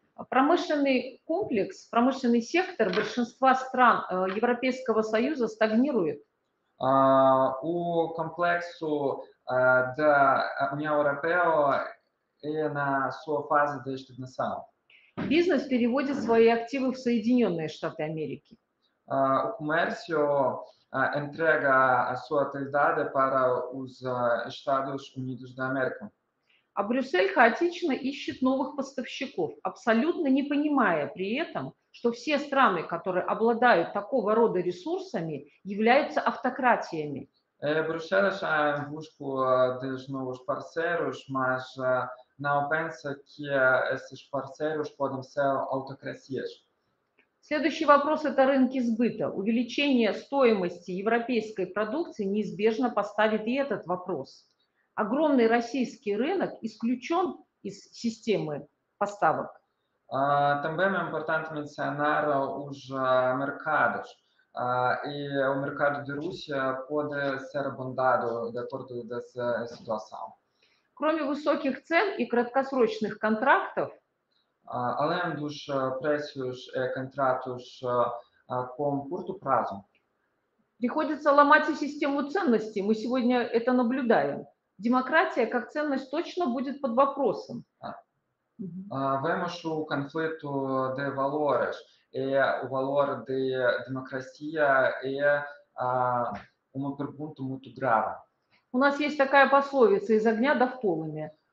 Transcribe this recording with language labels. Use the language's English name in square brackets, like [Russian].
[Russian] Промышленный комплекс, промышленный сектор большинства стран Европейского Союза стагнирует. [Portuguese] У комплексу da União Europeia e na sua fase de estagnação. [Russian] Бизнес переводит свои активы в Соединенные Штаты Америки. [Portuguese] O comércio entrega a sua atividade para os Estados Unidos da América. [Russian] А Брюссель хаотично ищет новых поставщиков, абсолютно не понимая при этом, что все страны, которые обладают такого рода ресурсами, являются автократиями. [Portuguese] Bruxelas está em busca de novos parceiros, mas não pensa que esses parceiros podem ser autocracias. [Russian] Следующий вопрос – это рынки сбыта. Увеличение стоимости европейской продукции неизбежно поставит и этот вопрос. Огромный российский рынок исключен из системы поставок. [Portuguese] Também é importante mencionar os mercados. E o mercado de Rússia pode ser abordado de acordo com essa situação. [Russian] Кроме высоких цен и краткосрочных контрактов, [Portuguese] além dos preços e contratos com curto prazo, [Russian] приходится ломать и систему ценностей. Мы сегодня это наблюдаем. Демократия как ценность точно будет под вопросом. [Portuguese] Vemos o conflito de valores. E o valor de democracia é uma pergunta muito grave. [Russian] У нас есть такая пословица «из огня да в полымя».